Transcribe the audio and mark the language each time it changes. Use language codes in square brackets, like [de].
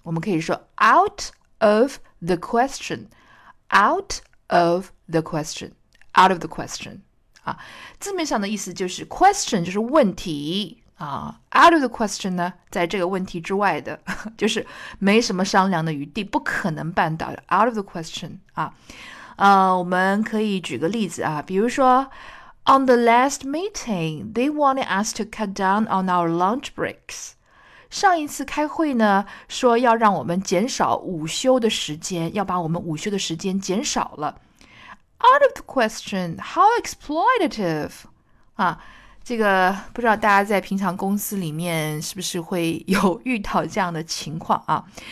[zh] 我们可以说 [en] out of the question，out of the question，out of the question [zh] 啊，字面上的意思就是 question 就是问题啊，out of the question 呢，在这个问题之外的，就是没什么商量的余地，不可能办到的 out of the question 啊。我们可以举个例子啊，比如说。 [en] On the last meeting, they wanted us to cut down on our lunch breaks. [zh] 上一次开会呢，说要让我们减少午休的时间，要把我们午休的时间减少了。 [en] Out of the question, how exploitative！ [zh] 啊，这个不知道大家在平常公司里面是不是会有遇到这样的情况啊？